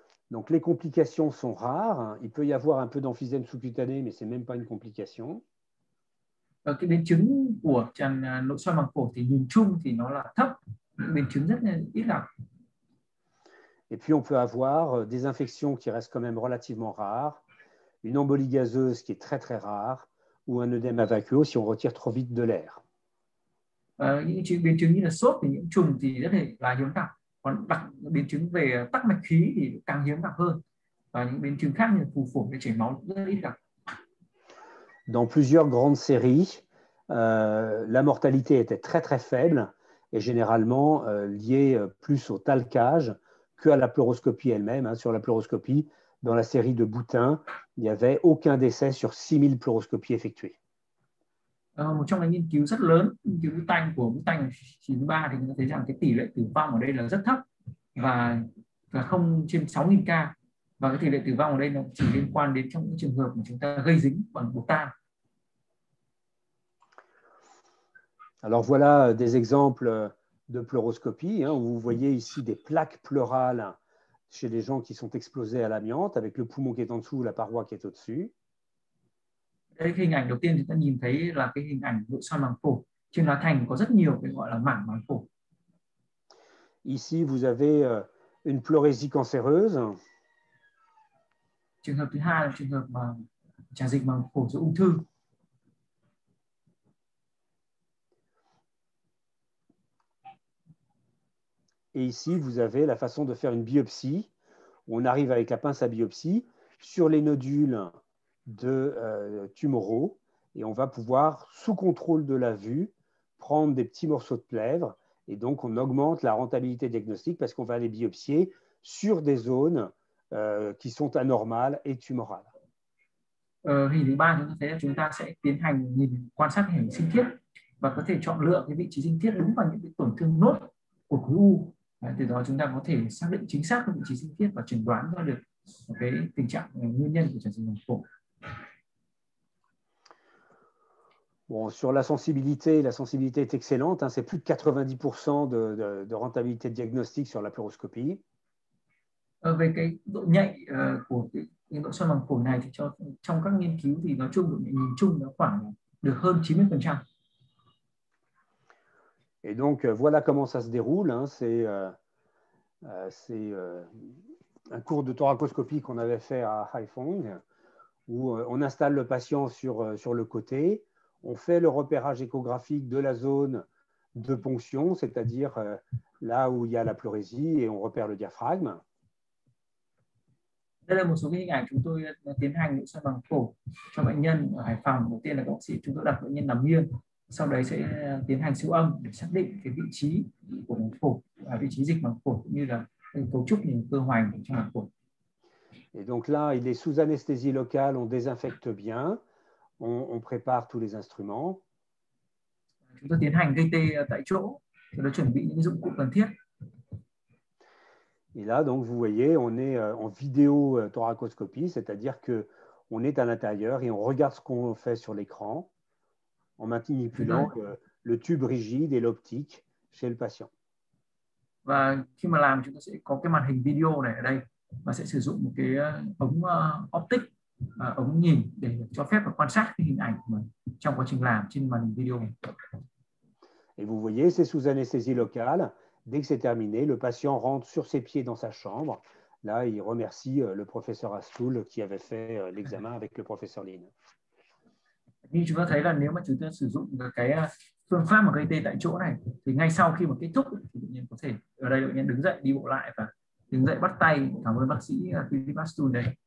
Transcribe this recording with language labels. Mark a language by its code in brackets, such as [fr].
[fr] Donc les complications sont rares. Il peut y avoir un peu d'emphysème sous-cutané, mais c'est même pas une complication. [vi] Cái biến chứng của tràn nội soi màng phổi thì nhìn chung thì nó là thấp, biến chứng rất là ít gặp. [fr] Et puis on peut avoir des infections qui restent quand même relativement rares, une embolie gazeuse qui est très très rare, ou un œdème vacuo si on retire trop vite de l'air. [vi] Những biến chứng như là sốt thì nhiễm trùng thì rất là hiếm gặp, còn đặc biến chứng về tắc mạch khí thì càng hiếm gặp hơn, và những biến chứng khác như phù phổi hay chảy máu rất ít gặp. [fr] Dans plusieurs grandes séries, la mortalité était très très faible et généralement liée plus au talcage que à la pleuroscopie elle-même. Sur la pleuroscopie, dans la série de Boutin, il n'y avait aucun décès sur 6 000 pleuroscopies effectuées. [vi] Một trong những nghiên cứu rất lớn, nghiên cứu Bhutan của Bhutan 93 thì chúng ta thấy rằng cái tỷ lệ tử vong ở đây là rất thấp và không trên 6.000 ca, và cái tỷ lệ tử vong ở đây nó chỉ liên quan đến trong những trường hợp mà chúng ta gây dính bằng bột tan. [fr] Alors voilà des exemples de pleuroscopie hein, où vous voyez ici des plaques pleurales chez les gens qui sont exposés à l'amiante avec le poumon qui est en dessous, la paroi qui est au-dessus. [vi] Đây hình ảnh đầu tiên chúng ta nhìn thấy là cái hình ảnh nội soi màng phổi. Trên lá thành có rất nhiều cái gọi là mảng màng phổi. [fr] Ici vous avez une pleurésie cancéreuse. [vi] Trường hợp thứ hai là trường hợp mà tràn dịch màng phổi do ung thư. [fr] Et ici vous avez la façon de faire une biopsie. On arrive avec la pince à biopsie sur les nodules de tumoraux et on va pouvoir, sous contrôle de la vue, prendre des petits morceaux de plèvre et donc on augmente la rentabilité diagnostique parce qu'on va aller biopsier sur des zones qui sont anormales et tumorales. [vi] Hình thứ ba chúng ta thấy là chúng ta sẽ tiến hành nhìn quan sát hình sinh thiết và có thể chọn lựa cái vị trí sinh thiết đúng vào những cái tổn thương nốt của khối u. Đấy, từ đó chúng ta có thể xác định chính xác cái vị trí sinh thiết và chẩn đoán ra được cái tình trạng nguyên nhân của chấn thương phổi. [fr] Bon, sur la sensibilité est excellente, hein, c'est plus de 90% de rentabilité de diagnostic sur la pleuroscopie. [vi] Về cái độ nhạy của cái nội soi màng phổi này thì cho trong các nghiên cứu thì nói chung nhìn chung nó khoảng được hơn 90%. [fr] Et donc, voilà comment ça se déroule, hein, un cours de thoracoscopie qu'on avait fait à Haiphong, où on installe le patient sur le côté. On fait le repérage échographique de la zone de ponction, c'est-à-dire là où il y a la pleurésie, et on repère le diaphragme. [vi] Đây là một số hình ảnh chúng tôi tiến hành nội soi màng phổi cho bệnh nhân ở Hải Phòng. Đầu tiên là bác sĩ chúng tôi đặt bệnh nhân nằm nghiêng, sau đấy sẽ tiến hành siêu âm để xác định cái vị trí của màng phổi, vị trí dịch màng phổi cũng như là cấu trúc những cơ hoành trong màng phổi. [fr] Et donc là, il est sous anesthésie locale, on désinfecte bien. On prépare tous les instruments. [vi] Chúng tôi tiến hành gây tê tại chỗ, chúng tôi chuẩn bị những dụng cụ cần thiết. [fr] Et là, donc, vous voyez, on est en vidéo thoracoscopie, c'est-à-dire que on est à l'intérieur et on regarde ce qu'on fait sur l'écran en manipulant le tube rigide et l'optique chez le patient. [vi] Và khi mà làm chúng ta sẽ có cái màn hình video này ở đây và sẽ sử dụng một cái ống optic, ống nhìn để cho phép và quan sát cái hình ảnh của mình trong quá trình làm trên màn hình video này. [fr] Et vous voyez, c'est sous anesthésie locale. Dès que c'est terminé, le patient rentre sur ses pieds dans sa chambre. Là, il remercie le professeur Astoul qui avait fait l'examen avec le professeur Lin. [vi] Như chúng ta thấy là nếu mà chúng ta sử dụng cái phương pháp mà gây tê tại chỗ này thì ngay sau khi mà kết thúc thì bệnh nhân có thể ở đây bệnh nhân đứng dậy đi bộ lại và đứng dậy bắt tay cảm ơn bác sĩ Pastun đây.